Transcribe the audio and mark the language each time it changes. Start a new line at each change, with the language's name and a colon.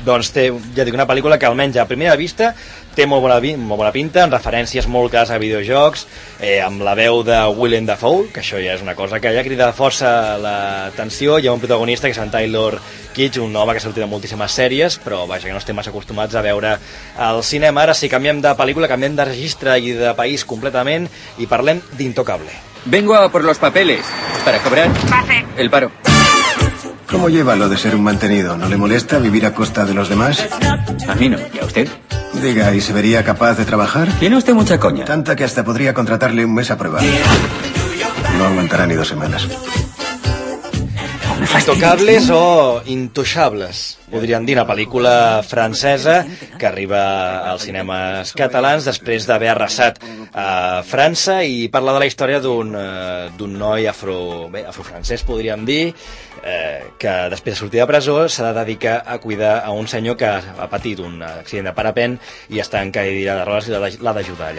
Catalan: Doncs té, ja dic, una pel·lícula que almenys a primera vista té molt bona pinta, amb referències molt clares a videojocs, amb la veu de Willem Dafoe, que això ja és una cosa que ja crida força l'atenció. Hi ha un protagonista que és en Taylor Kitsch, un home que ha sortit de moltíssimes sèries, però vaja, que no estem massa acostumats a veure al cinema. Ara sí, canviem de pel·lícula, canviem de registre i de país completament i parlem d'Intocable.
Spanish: Vengo a por los papeles para cobrar. Pase. El paro. ¿Cómo lleva lo de ser un mantenido? ¿No le molesta vivir a costa de los demás? A mí no, ¿y a usted? Diga, ¿y se vería capaz de trabajar? Tiene usted mucha coña. Tanta que hasta podría contratarle un mes a prueba. No aguantará ni dos semanas.
Catalan: Intocables o intouchables, podrien dir, una pel·lícula francesa que arriba als cinemes catalans després d'haver arrasat a França i parla de la història d'un noi afrofrancès, podríem dir, que després de sortir de presó s'ha de dedicar a cuidar a un senyor que ha patit un accident de parapent i està en cadira de rodes i l'ha d'ajudar.